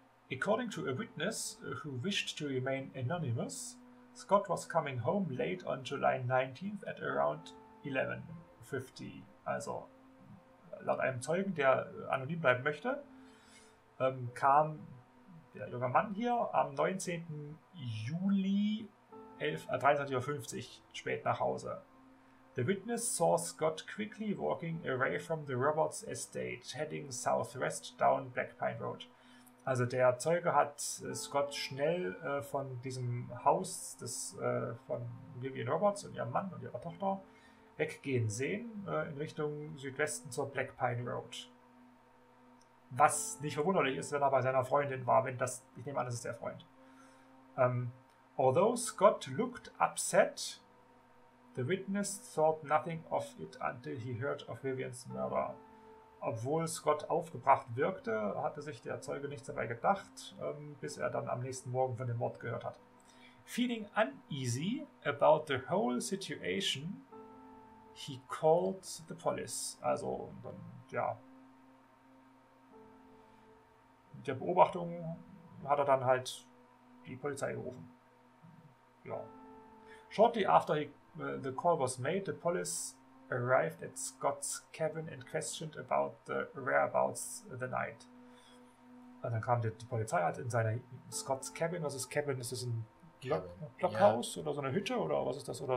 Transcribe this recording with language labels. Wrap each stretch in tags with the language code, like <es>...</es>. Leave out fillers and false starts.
<en>According to a witness who wished to remain anonymous, Scott was coming home late on July 19th at around 11:50.</en> <de>Also laut einem Zeugen, der anonym bleiben möchte, kam der junge Mann hier am 19. Juli 23:50 spät nach Hause.</de> <en>The witness saw Scott quickly walking away from the Roberts Estate, heading southwest down Black Pine Road.</en> <de>Also der Zeuge hat Scott schnell von diesem Haus von Vivian Roberts und ihrem Mann und ihrer Tochter weggehen sehen, in Richtung Südwesten zur Black Pine Road. Was nicht verwunderlich ist, wenn er bei seiner Freundin war, ich nehme an, das ist der Freund.</de> <en>Although Scott looked upset, the witness thought nothing of it until he heard of Vivians murder.</en> <de>Obwohl Scott aufgebracht wirkte, hatte sich der Zeuge nichts dabei gedacht, bis er dann am nächsten Morgen von dem Mord gehört hat.</de> <en>Feeling uneasy about the whole situation, he called the police.</en> <de>Also, dann, ja. Mit der Beobachtung hat er dann halt die Polizei gerufen. Ja.</de> <en>Shortly after the call was made, the police arrived at Scott's cabin and questioned about the whereabouts the night.</en> <de>Und dann kam die Polizei halt in Scott's cabin. Was ist Cabin? Ist das ein Blockhaus oder so eine Hütte oder was ist das?</de>